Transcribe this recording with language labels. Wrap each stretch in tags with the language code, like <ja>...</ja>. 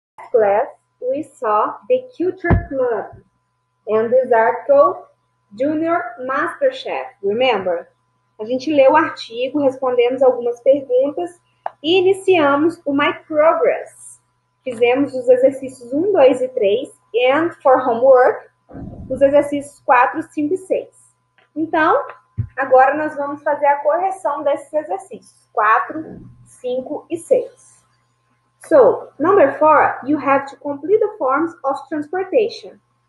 <en>class, we saw the Culture Club and the Zarco Junior MasterChef, remember?</en> <pt>A gente leu o artigo, respondemos algumas perguntas e iniciamos o My Progress. Fizemos os exercícios 1, 2 e 3</pt> <en>and for homework,</en> <pt>os exercícios 4, 5 e 6. Então, agora nós vamos fazer a correção desses exercícios, 4, 5 e 6.</pt> <en>So, number 4, you have to complete the forms of transportation.</en>